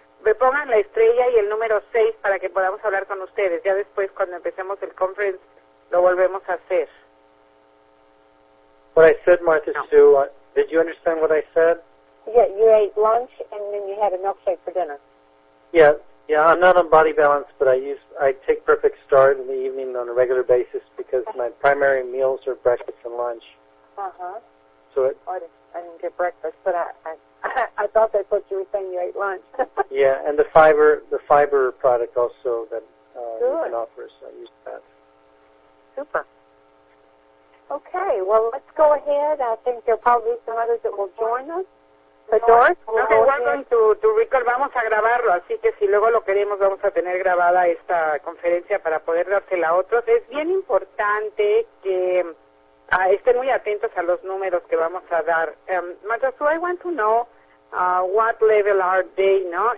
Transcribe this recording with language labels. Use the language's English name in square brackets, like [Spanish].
[Spanish] Me pongan la estrella y el número 6 para que podamos hablar con ustedes. Ya después, cuando empecemos el conference, lo volvemos a hacer. [English] What I said, Martha no. Sue, did you understand what I said? Yeah, you ate lunch and then you had a milkshake for dinner. Yeah, I'm not on Body Balance, but I take Perfect Start in the evening on a regular basis because my primary meals are breakfast and lunch. Uh-huh. So I didn't get breakfast, but I thought that's what you were saying, you ate lunch. Yeah, and the fiber product also that Ethan offers, I use that. Super. Okay, well, let's go ahead. I think there are probably some others that will join us. The doors? Okay, welcome to Recall. [Spanish] Vamos a grabarlo, así que si luego lo queremos, vamos a tener grabada esta conferencia para poder dársela a otros. Es bien importante que... estén muy atentos a los números que vamos a dar. [English] Matasu, I want to know what level are they, no?